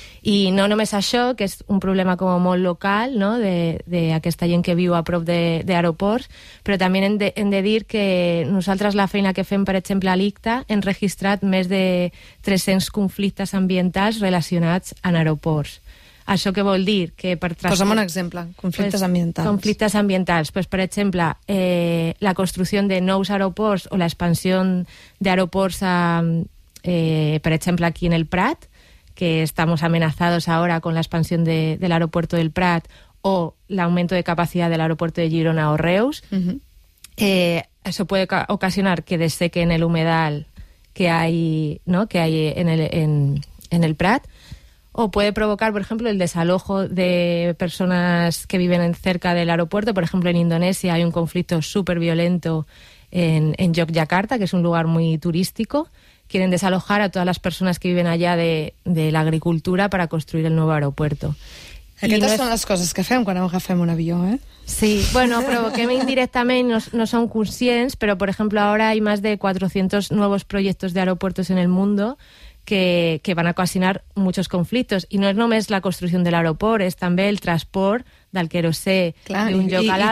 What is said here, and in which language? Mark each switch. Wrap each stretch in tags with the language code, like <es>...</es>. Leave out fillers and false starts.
<ca>I no només això, que és un problema com molt local, no?, d'aquesta gent que viu a prop d'aeroports, però també hem de dir que nosaltres la feina que fem, per exemple, a l'ICTA, hem registrat més de 300 conflictes ambientals relacionats amb aeroports. Això què vol dir? Que per posa'm un exemple, conflictes ambientals. Conflictes ambientals, pues, per exemple, la construcció de nous aeroports o l'expansió d'aeroports, per exemple, aquí en el Prat,</ca> <es>que estamos amenazados ahora con la expansión del aeropuerto del Prat o el aumento de capacidad del aeropuerto de Girona o Reus, eso puede ocasionar que deseque en el humedal que hay, ¿no?, que hay en el Prat, o puede provocar, por ejemplo, el desalojo de personas que viven cerca del aeropuerto. Por ejemplo, en Indonesia hay un conflicto súper violento en Yogyakarta, que es un lugar muy turístico. Quieren desalojar a todas las personas que viven allá de la agricultura para construir el nuevo aeropuerto.</es> <ca>Aquestes són les coses que fem quan agafem un avió, eh? Sí, bueno, provoquem indirectament, no som conscients, però, per exemple, ara hi ha més de 400 nous projectes d'aeroportos en el món que van a ocasionar molts conflictes. I no és només la construcció de l'aeroport, és també el transport del querosè d'un lloc a l'altre.</ca>